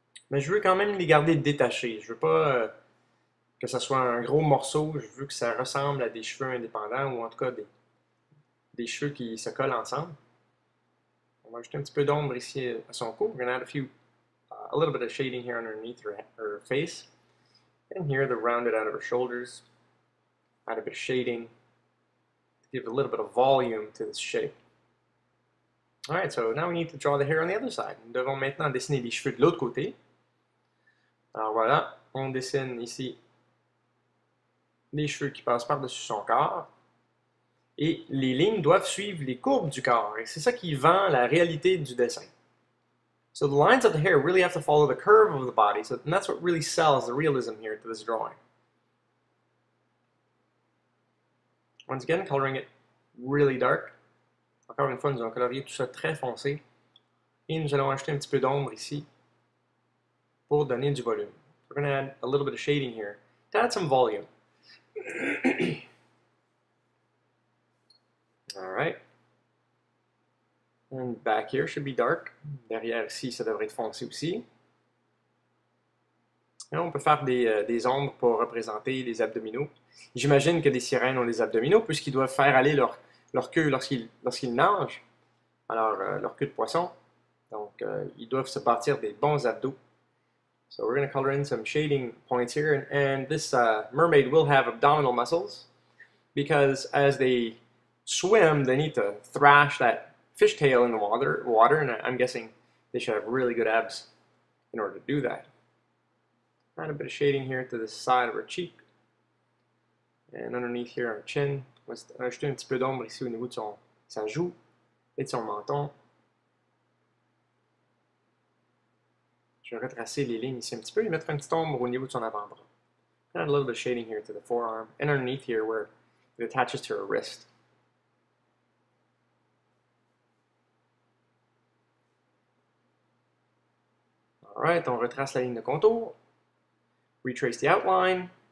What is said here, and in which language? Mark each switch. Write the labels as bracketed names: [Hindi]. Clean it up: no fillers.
[French] Mais je veux quand même les garder détachés. Je veux pas que ça soit un gros morceau, je veux que ça ressemble à des cheveux indépendants ou en tout cas des cheveux qui se collent ensemble. On va ajouter un petit peu d'ombre ici à son cou. [English] We're gonna add a little bit of shading here underneath her face. And here the rounded out of her shoulders. Add a bit of shading. Give a little bit of volume to this shape. Alright, so now we need to draw the hair on the other side. [French] Nous devons maintenant dessiner les cheveux de l'autre côté. Alors voilà, on dessine ici les cheveux qui passent par-dessus son corps. Et les lignes doivent suivre les courbes du corps. Et c'est ça qui vend la réalité du dessin. [English] So the lines of the hair really have to follow the curve of the body. So that's what really sells the realism here to this drawing. Once again, coloring it really dark. [French] Encore une fois, nous allons colorier tout ça très foncé. Et nous allons ajouter un petit peu d'ombre ici pour donner du volume. [English] We're going to add a little bit of shading here to add some volume. All right, and back here should be dark. [French] Derrière ici, ça devrait être foncé aussi. Et on peut faire des ombres pour représenter les abdominaux. J'imagine que des sirènes ont des abdominaux puisqu'ils doivent faire aller leur queue lorsqu'ils nagent. Alors leur queue de poisson. Donc ils doivent se bâtir des bons abdos. [English] So we're going to color in some shading points here, and this mermaid will have abdominal muscles because as they swim, they need to thrash that fish tail in the water, and I'm guessing They should have really good abs in order to do that. Add a bit of shading here to the side of her cheek. And underneath here, her chin. [French] Ajouter un petit peu d'ombre ici au niveau de sa joue et de son menton. Je vais retracer les lignes ici un petit peu et mettre une petite ombre au niveau de son avant-bras. [English] Add a little bit of shading here to the forearm and underneath here where it attaches to her wrist. [French] Alright, on retrace la ligne de contour. [English] Retrace the outline.